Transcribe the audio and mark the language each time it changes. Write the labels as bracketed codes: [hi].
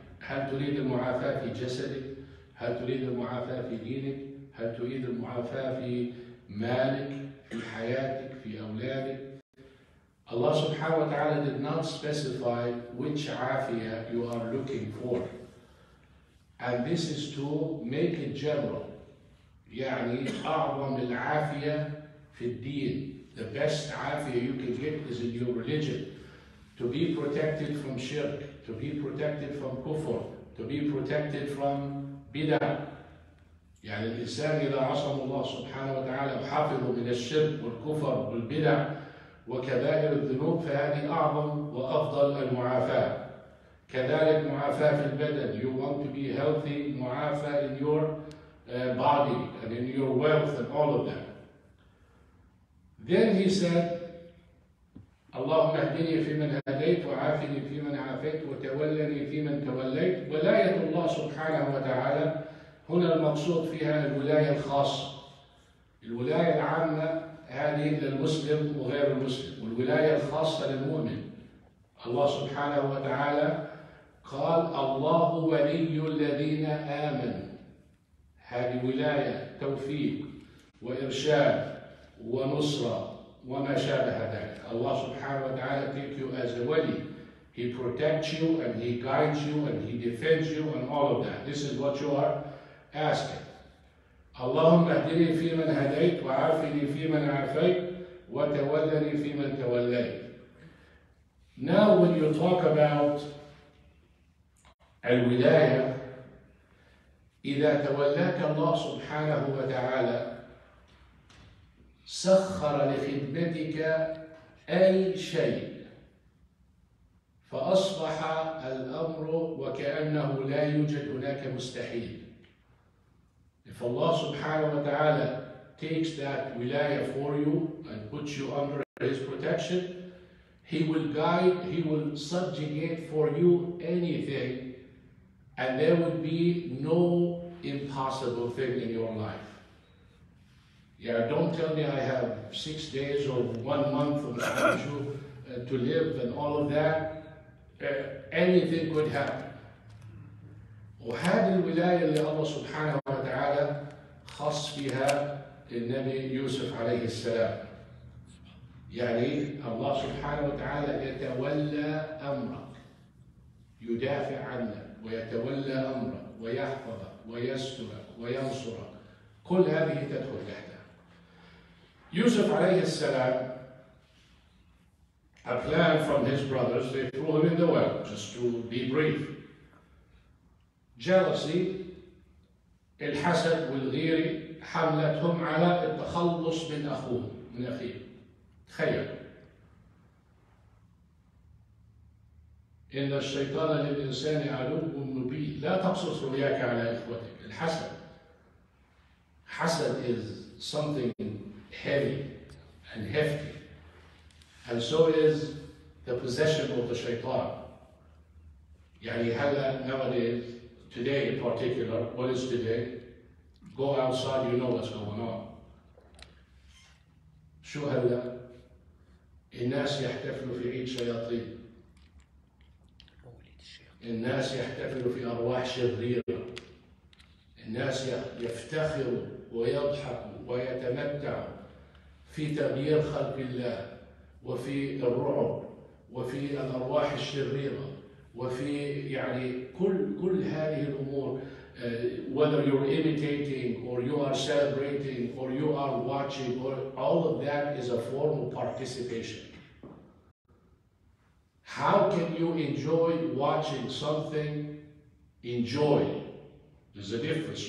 [ar] هل تريد المعافاة في جسدك؟ هل تريد المعافاة في دينك؟ هل تريد المعافاة في مالك؟ في حياتك؟ في أولادك؟ الله سبحانه وتعالى [en] did not specify which عافية you are looking for. And this is to make it general. [ar] يعني أعظم العافية في الدين. [en] The best عافية you can get is in your religion. To be protected from shirk, to be protected from kufr, to be protected from bid'ah. [ar] يعني الإنسان إذا عصم الله سبحانه وتعالى وحافظه من الشرك والكفر والبدع وكبائر الذنوب، فهذه أعظم وأفضل المعافاة. كذلك معافاة في البدن. [en] You want to be healthy, معافاة in your body and in your wealth and all of that. Then he said, [ar] اللهم اهدني فيمن هديت وعافني فيمن عافيت وتولني فيمن توليت. ولاية الله سبحانه وتعالى هنا المقصود فيها الولاية الخاصة. الولاية العامة هذه للمسلم وغير المسلم، والولاية الخاصة للمؤمن. الله سبحانه وتعالى قال: الله ولي الذين آمنوا. هذه ولاية توفيق وإرشاد ونصرة وما شابه ذلك. الله سبحانه وتعالى [en] take you as a wali. He protects you and he guides you and he defends you and all of that. This is what you are asking. [ar] اللهم اهدني في من هديت وعافني في من عافيت وتولني في من توليت. [en] Now when you talk about [ar] الولاية, إذا تولاك الله سبحانه وتعالى سخر لخدمتك أي شيء فأصبح الأمر وكأنه لا يوجد هناك مستحيل. [en] If Allah subhanahu wa ta'ala takes that wilaya for you and puts you under His protection, He will guide, He will subjugate for you anything, and there would be no impossible thing in your life. Yeah, don't tell me I have 6 days or 1 month to live and all of that. Anything could happen. [ar] وهذه الولاية اللي الله سبحانه وتعالى خص فيها النبي يوسف عليه السلام. يعني الله سبحانه وتعالى يتولى أمرك. يدافع عنك ويتولى أمرك ويحفظك ويسترك وينصرك. كل هذه تدخل تحتها. [en] Yusuf alayhi salam, a plan from his brothers, they threw him in the well, just to be brief. Jealousy, [ar] الحسد والغير حملتهم على التخلص من أخوه, من أخيه. تخيل. إن الشيطان للإنسان عدو مبين. لا تقصص رؤياك على إخوتك. الحسد. [en] حسد is something heavy and hefty, and so is the possession of the shaitan. [ar] يعني هلا [en] nowadays, today in particular, what is today? Go outside, you know what's going on. [ar] شو هلا؟ الناس يحتفلوا في عيد شياطين. الناس يحتفلوا في أرواح شريرة. الناس يفتخروا ويضحكوا ويتمتعوا في تغيير خلق الله وفي الرعب وفي الأرواح الشريرة وفي يعني كل هذه الأمور. [en] Whether you're imitating or you are celebrating or you are watching or all of that is a form of participation. How can you enjoy watching something? Enjoy. There's a difference.